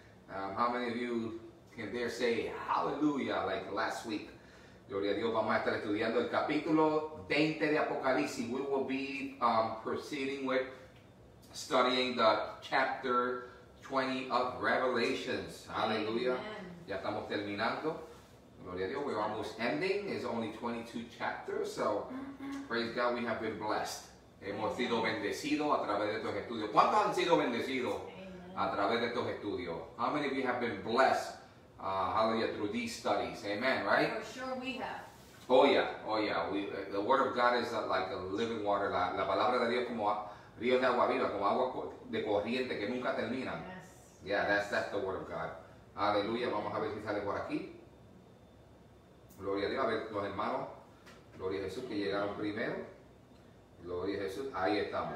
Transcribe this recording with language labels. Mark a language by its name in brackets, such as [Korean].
[English] How many of you can dare say aleluya like last week? [Spanish] Gloria a Dios, vamos a estar estudiando el capítulo 20 de Apocalipsis. [English] We will be proceeding with studying the chapter 20 of Revelations. Hallelujah. Amen. [Spanish] Ya estamos terminando. Gloria a Dios. [English] We're almost ending. It's only 22 chapters. So, praise God, we have been blessed. [Spanish] Hemos sido bendecidos a través de estos estudios. ¿Cuántos han sido bendecidos a través de estos estudios? [English] How many of you have been blessed, hallelujah, through these studies? Amen, right? For sure we have. Oh, yeah. Oh, yeah. The Word of God is like a living water. [Spanish] La palabra de Dios como río de agua viva, como agua de corriente que nunca termina. [English] Yes. Yeah, that's the word of God. [Spanish] Aleluya, vamos a ver si sale por aquí. Gloria a Dios, a ver los hermanos. Gloria a Jesús que llegaron primero. Gloria a Jesús, ahí estamos.